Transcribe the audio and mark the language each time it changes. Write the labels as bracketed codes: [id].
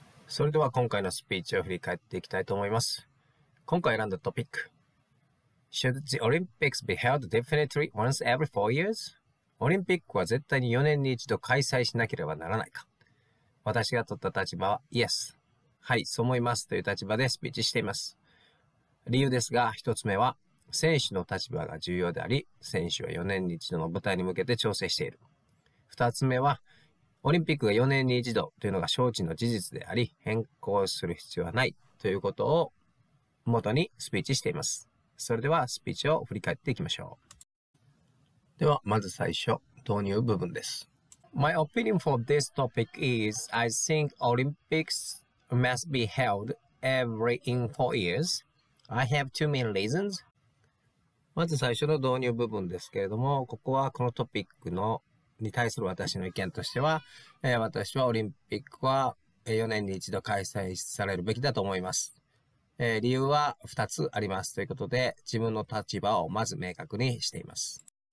[ja] それでは今回のスピーチを振り返っていきたいと思います。今回選んだトピック。 [en] Should the Olympics be held definitely once every 4 years? [ja] オリンピックは絶対に4年に一度開催しなければならないか。私が取った立場は Yes。はい、そう思いますという立場でスピーチしています。理由ですが、一つ目は選手の立場が重要であり、選手は4年に一度の舞台に向けて調整している。二つ目は、オリンピックが4年に一度というのが招致の事実であり、変更する必要はないということを元にスピーチしています。それではスピーチを振り返っていきましょう。ではまず最初、導入部分です。 [en] My opinion for this topic is I think Olympics must be held every in 4 years. I have too many reasons. [ja] まず最初の導入部分ですけれども、ここはこのトピックのに対する私の意見としては、私はオリンピックは4年に一度開催されるべきだと思います。理由は2つありますということで、自分の立場をまず明確にしています。